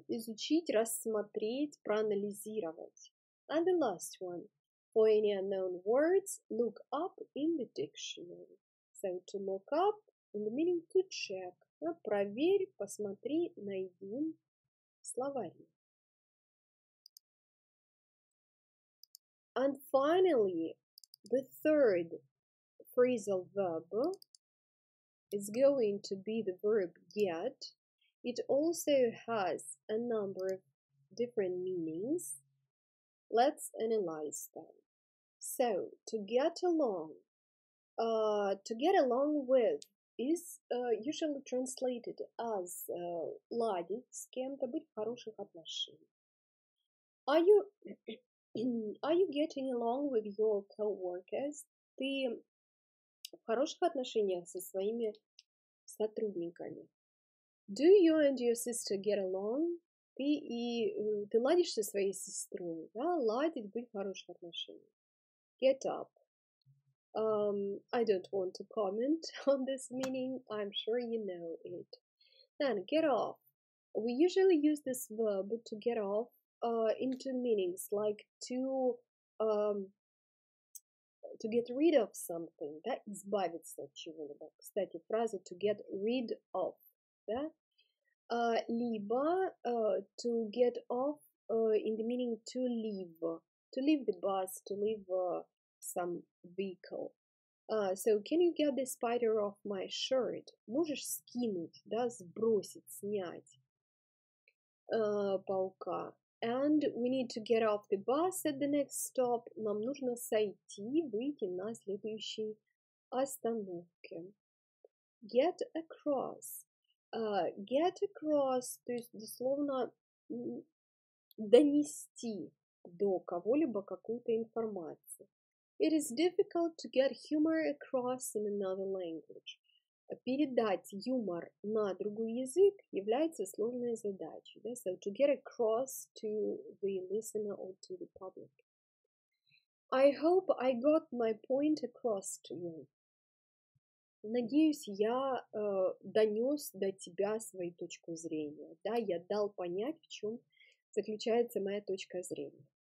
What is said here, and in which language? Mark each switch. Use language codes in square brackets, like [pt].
[ru] Изучить, рассмотреть, проанализировать. [en] And the last one. For any unknown words, look up in the dictionary. So, to look up, in the meaning to check. [ru] Да? Проверь, посмотри, найди словари. [en] And finally, the third phrasal verb is going to be the verb get. It also has a number of different meanings. Let's analyze them. So, to get along, to get along with is usually translated as [ru] ладить с кем-то, быть в хороших отношениях. [en] Are you getting along with your co-workers? [ru] Ты в хороших отношениях со своими сотрудниками? [en] Do you and your sister get along? [ru] Ты и ты ладишь со своей сестрой, да? Ладить, быть в хороших отношениях. [en] Get up. I don't want to comment on this meaning. I'm sure you know it. Then, get off. We usually use this verb to get off. Into meanings like to get rid of something, [ru] да, избавиться от чего-либо. Кстати, фраза [en] to get rid of, [ru] да? [en] To get off in the meaning to leave the bus, to leave some vehicle. So can you get the spider off my shirt? [ru] Можешь скинуть, да, сбросить, снять паука. [en] And we need to get off the bus at the next stop. [ru] Нам нужно сойти, выйти на следующей остановке. [en] Get across. Get across, [ru] то есть дословно донести до кого-либо какую-то информацию. [en] It is difficult to get humor across in another language. [ru] передать юмор на другой язык является сложной задачей. Да? [en] So to get across to the listener or to the public. I hope I got my point across to you. [ru] Надеюсь, я донёс до тебя свою точку зрения. Да, я дал понять, в чём заключается моя точка зрения.